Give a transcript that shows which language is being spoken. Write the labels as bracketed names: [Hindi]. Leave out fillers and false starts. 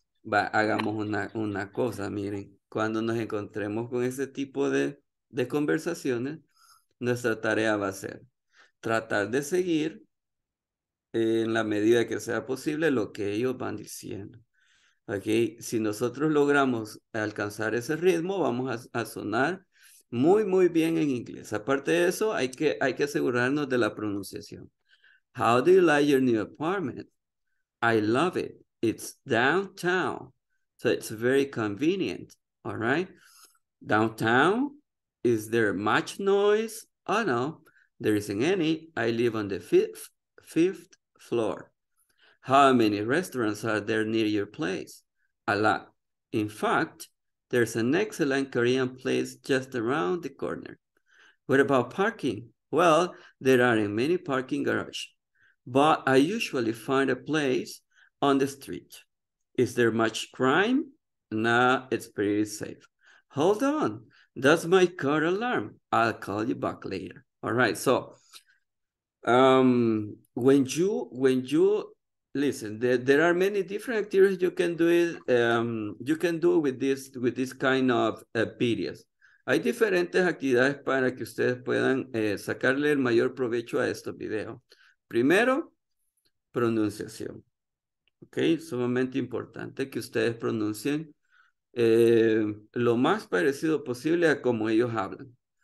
[Spanish] Va, hagamos una cosa, miren, cuando nos encontremos con ese tipo de conversaciones, nuestra tarea va a ser tratar de seguir en la medida que sea posible lo que ellos van diciendo. ¿Okay? Si nosotros logramos alcanzar ese ritmo, vamos a sonar muy, muy bien en inglés. Aparte de eso, hay que asegurarnos de la pronunciación. [English] How do you like your new apartment? I love it. It's downtown, so it's very convenient, all right? Downtown, is there much noise? Oh, no, there isn't any. I live on the fifth floor. How many restaurants are there near your place? A lot. In fact, there's an excellent Korean place just around the corner. What about parking? Well, there aren't many parking garages, but I usually find a place on the street. Is there much crime? Nah, it's pretty safe. Hold on, that's my car alarm. I'll call you back later. All right, so when you listen, there are many different activities you can do it. You can do with this kind of videos. [Spanish] Hay diferentes actividades para que ustedes puedan sacarle el mayor provecho a estos videos. Primero, pronunciación. Ok, sumamente importante que ustedes pronuncien lo más parecido posible a como ellos hablan.